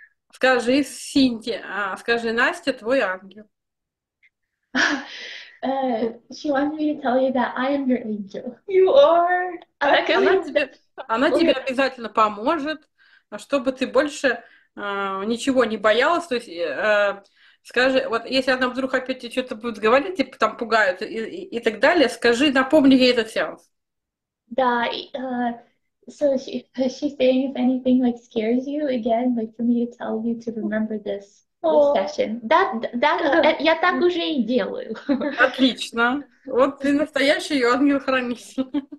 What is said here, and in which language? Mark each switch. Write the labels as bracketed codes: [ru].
[ru] Скажи, Синти, скажи, Настя, твой ангел. [en] She wants me to tell you that I am your angel. You are. [ru] Она тебе обязательно поможет, чтобы ты больше ничего не боялась. То есть скажи, вот если она вдруг опять тебе что-то будет говорить, типа там пугают и так далее, скажи, напомни ей этот сеанс. Да. [en] So she's saying if anything like scares you again, like for me to tell you to remember this. [ru] Я так уже и делаю. Отлично. Вот ты настоящий ангел-хранитель.